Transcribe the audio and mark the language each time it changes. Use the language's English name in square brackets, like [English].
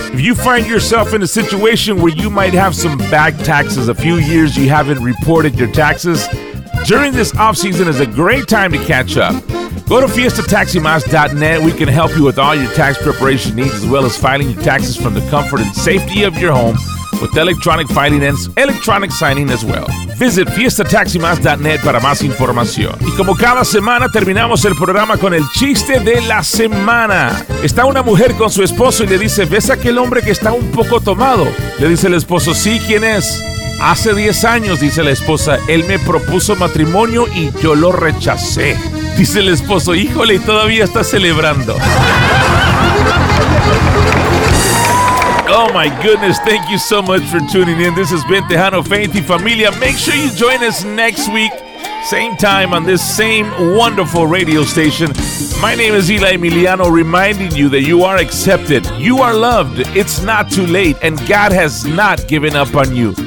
[English] If you find yourself in a situation where you might have some back taxes, a few years you haven't reported your taxes, during this off-season is a great time to catch up. Go to FiestaTaxiMas.net. We can help you with all your tax preparation needs, as well as filing your taxes from the comfort and safety of your home with electronic filing and electronic signing as well. Visit [Spanish] FiestaTaxiMas.net para más información. Y como cada semana, terminamos el programa con el chiste de la semana. Está una mujer con su esposo y le dice, ¿ves aquel hombre que está un poco tomado? Le dice el esposo, sí, ¿quién es? Hace 10 años, dice la esposa, él me propuso matrimonio y yo lo rechacé. Dice el esposo, híjole, y todavía está celebrando. [English] Oh my goodness, thank you so much for tuning in. This has been Tejano Faith y Familia. Make sure you join us next week, same time on this same wonderful radio station. My name is Eli Emiliano, reminding you that you are accepted, you are loved, it's not too late, and God has not given up on you.